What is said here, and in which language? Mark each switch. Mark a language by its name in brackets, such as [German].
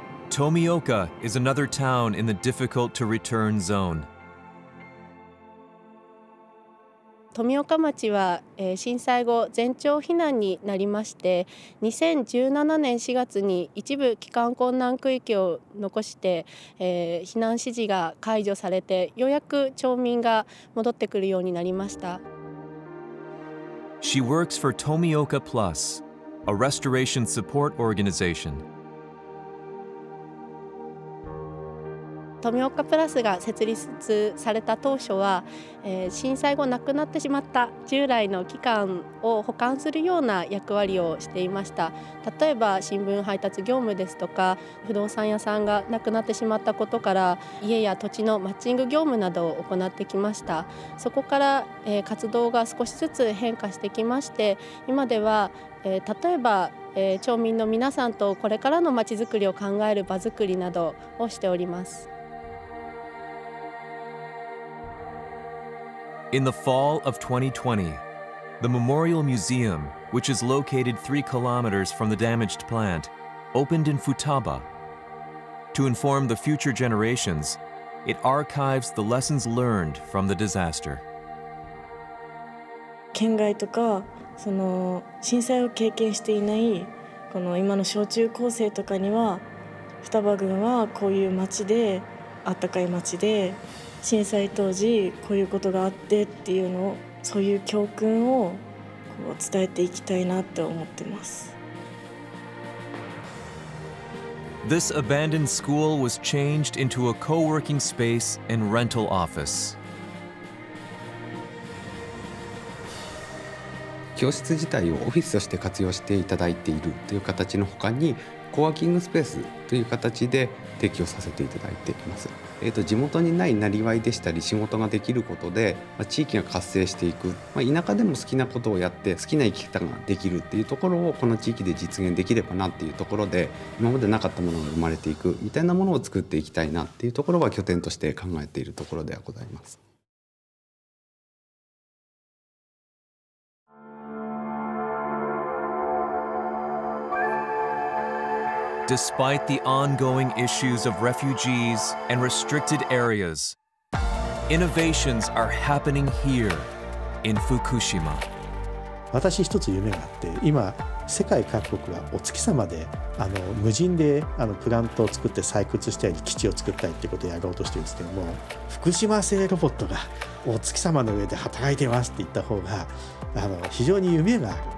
[English] Tomioka is another town in the difficult to return zone. [Japanese] 富岡町は震災後全町避難になりまして、2017年4月に一部帰還困難区域を残して避難指示が解除されて、ようやく町民が戻ってくるようになりました。 [English] She works for Tomioka Plus, a restoration support organization. [Japanese] 富岡プラスが設立された当初は、震災後亡くなってしまった従来の機関を保管するような役割をしていました。例えば新聞配達業務ですとか、不動産屋さんが亡くなってしまったことから、家や土地のマッチング業務などを行ってきました。そこから、活動が少しずつ変化してきまして、今では、例えば、町民の皆さんとこれからの街づくりを考える場づくりなどをしております。 [English] In the fall of 2020, the Memorial Museum, which is located 3 kilometers from the damaged plant, opened in Futaba. To inform the future generations, it archives the lessons learned from the disaster. [Japanese] 県外とか、その震災を経験していないこの今の小中高生とかには、双葉郡はこういう町で、あったかい町で、震災当時こういうことがあってっていうのを、そういう教訓をこう伝えていきたいなって思ってます。 [English] This abandoned school was changed into a co-working space and rental office. [Japanese] 教室自体をオフィスとして活用していただいているという形の他に、コワーキングスペースという形で提供させていただいています。地元にないなりわいでしたり、仕事ができることで、地域が活性していく、田舎でも好きなことをやって好きな生き方ができるっていうところを、この地域で実現できればなっていうところで、今までなかったものが生まれていくみたいなものを作っていきたいなっていうところは拠点として考えているところではございます。 [English] Despite the ongoing issues of refugees and restricted areas, Innovations are happening here in Fukushima. [Japanese] 私一つ夢があって、今世界各国はお月様で無人でプラントを作って採掘したり基地を作ったりってことをやろうとしてるんですけども、福島製ロボットがお月様の上で働いてますって言った方が非常に夢がある。